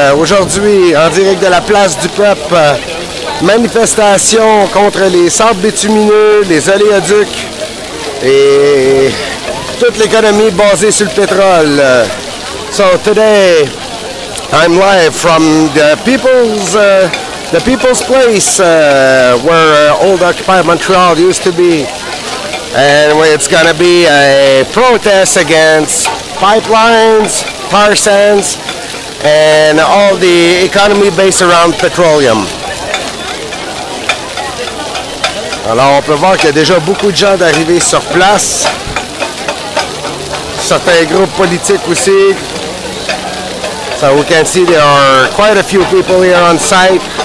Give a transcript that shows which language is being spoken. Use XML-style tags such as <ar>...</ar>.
<fr>Aujourd'hui, en direct de la place du peuple, manifestation contre les sables bitumineux, les oléoducs et toute l'économie basée sur le pétrole.</fr> <en>So today, I'm live from the people's place where old occupied Montreal used to be. And it's going to be a protest against pipelines, tar sands, and all the economy based around petroleum.</en> <fr>Alors, on peut voir qu'il y a déjà beaucoup de gens d'arriver sur place. Certains groupes politiques aussi.</fr> <en>So we can see there are quite a few people here on site.</en>